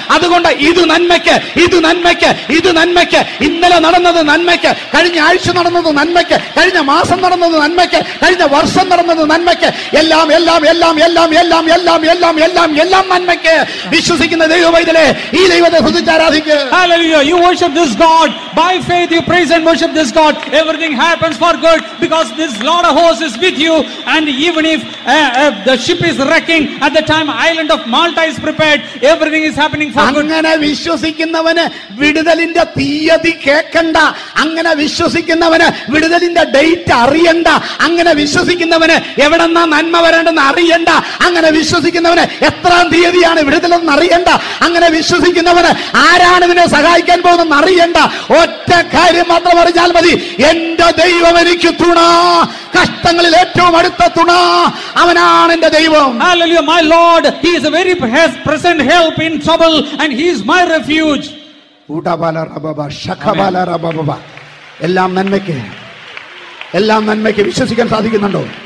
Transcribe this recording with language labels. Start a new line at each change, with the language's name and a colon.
Malayalam: അതുകൊണ്ട് ഇത് നന്മയ്ക്ക്, ഇത് നന്മയ്ക്ക്, ഇത് നന്മയ്ക്ക്. ഇന്നലെ നടന്നത് നന്മയ്ക്ക്, കഴിഞ്ഞ ആഴ്ച നടന്നത് നന്മയ്ക്ക്, കഴിഞ്ഞ മാസം നടന്നത് നന്മയ്ക്ക്, കഴിഞ്ഞ വർഷം നടന്നത് നന്മയ്ക്ക്. എല്ലാം എല്ലാം എല്ലാം എല്ലാം എല്ലാം എല്ലാം എല്ലാം എല്ലാം എല്ലാം നന്മയ്ക്ക്. വിശ്വസിക്കുന്ന ദൈവമൈതലേ ഈ ദൈവത്തെ സ്തുതിച്ച് ആരാധിക്കുക.
English: Hallelujah. You worship this God by faith. You praise and worship this God. Everything happens for good because this Lord of hosts is with you. And even if the ship is wrecking at the time island of Malta is prepared, everything is happening for good.
Malayalam: അങ്ങനെ വിശ്വസിക്കുന്നവനെ വിടുതലിന്റെ തീയതി കേക്കണ്ട, അങ്ങനെ വിശ്വസിക്കുന്നവനെ വിടുതലിന്റെ date അറിയണ്ട, അങ്ങനെ വിശ്വസിക്കുന്നവനെ എവിടെന്നാ നന്മ വരേണ്ടെന്ന് അറിയണ്ട, അങ്ങനെ വിശ്വസിക്കുന്നവനെ എത്രാം തീയതിയാണ് വിടുതലെന്ന് അറിയണ്ട, അങ്ങനെ വിശ്വസിക്കുന്നവന് ആരാണ് ഇതിനെ സഹായിക്കാൻ പോകുന്നതെന്ന് അറിയണ്ട. ഒറ്റ കാര്യം മാത്രം അറിഞ്ഞാൽ മതി, എന്റെ ദൈവം എനിക്ക് തുണ, കഷ്ടങ്ങളിൽ ഏറ്റവും അടുത്ത തുണ, അവനാണ് എന്റെ ദൈവം.
English: Hallelujah. My Lord, he is a very present help in trouble and he is my refuge.
Malayalam: ഉടബല റബബ ഷഖബല റബബ എല്ലാം നന്മയ്ക്ക്, എല്ലാം നന്മയ്ക്ക്. വിശ്വസിക്കാൻ സാധിക്കുന്നുണ്ടോ?